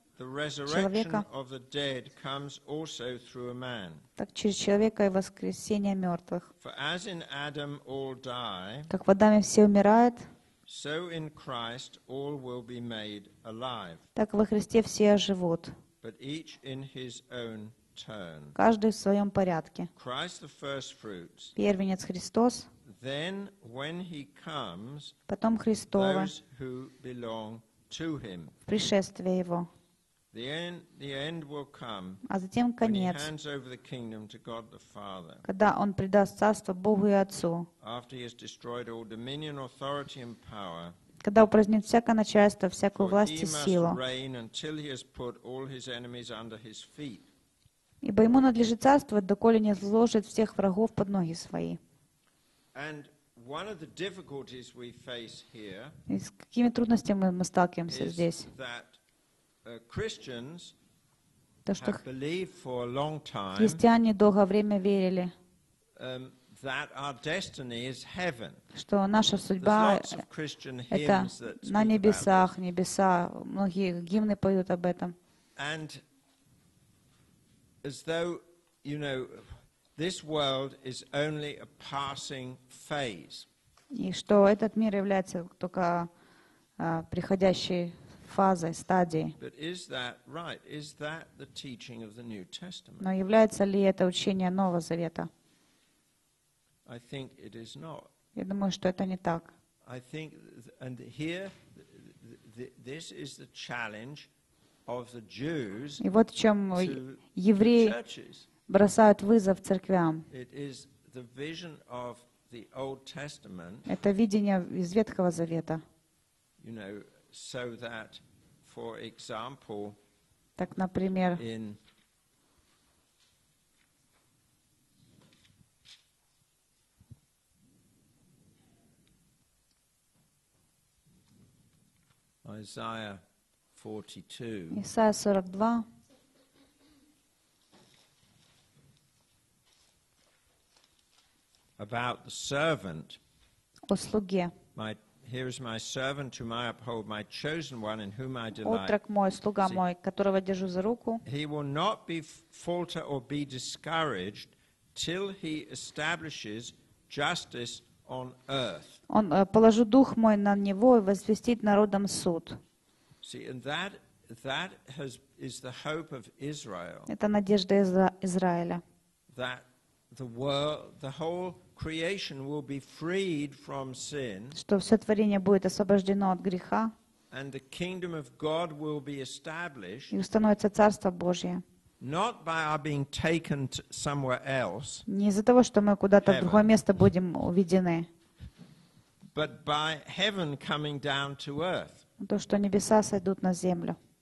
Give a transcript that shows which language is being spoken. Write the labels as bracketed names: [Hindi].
[English] the resurrection of the dead comes also through a man. [Russian] Так через человека и воскресение мертвых. [English] For as in Adam all die, [Russian] как в Адаме все умирают, [English] so in Christ all will be made alive. [Russian] Так во Христе все оживут. [English] But each in his own turn. [Russian] Каждый в своем порядке. [English] Christ the first fruits. [Russian] Первенец Христос. [English] Then when he comes, [Russian] потом Христово, [English] those who belong to him. [Russian] Пришествие его. [English] The end will come. [Russian] А затем конец. [English] When he hands over the kingdom to God the Father. [Russian] Когда он предаст царство Богу и Отцу. [English] After he has destroyed all dominion, authority and power. [Russian] Когда упразднит всякое начальство, всякую власть и силу. [English] For he must reign until he has put all his enemies under his feet. [Russian] Ибо ему надлежит царствовать, доколе не сложит всех врагов под ноги свои. [English] And one of the difficulties we face here. [Russian] И с какими трудностями мы сталкиваемся здесь? [English] Christians have believed for a long time. [Russian] Христиане долгое время верили. [English] That our destiny is heaven. [Russian] Что наша судьба это на небесах, небеса. Многие гимны поют об этом. [English] And as though you know, this world is only a passing phase. [Russian] И что этот мир является только приходящей. [English] But is that right? Is that the teaching of the New Testament? [Russian] Но является ли это учение Нового Завета? [English] I think it is not. [Russian] Я думаю, что это не так. [English] I think, and here, this is the challenge of the Jews. [Russian] И вот в чем евреи бросают вызов церквям. [English] It is the vision of the Old Testament. [Russian] Это видение из Ветхого Завета. [English] You know. So that, for example, [Russian] так, например, [English] in Isaiah 42. [Russian] Исайя 42. [English] About the servant. [Russian] О слуге. [English] Here is my servant whom I uphold, my chosen one in whom I delight. [Russian] Отрок мой, слуга мой, которого держу за руку. [English] He will not be falter or be discouraged till he establishes justice on earth. [Russian] Он положу дух мой на него и возвестит народам суд. [English] See, and that is the hope of Israel. [Russian] Это надежда Израиля. [English] That the world, the whole creation will be freed from sin. [Russian] Что все творение будет освобождено от греха. [English] And the kingdom of God will be established. [Russian] И установится царство Божье. [English] Not by our being taken somewhere else. [Russian] Не из-за того, что мы куда-то в другое место будем уведены. [English] But by heaven coming down to earth. [Russian] То, что небеса сойдут на землю.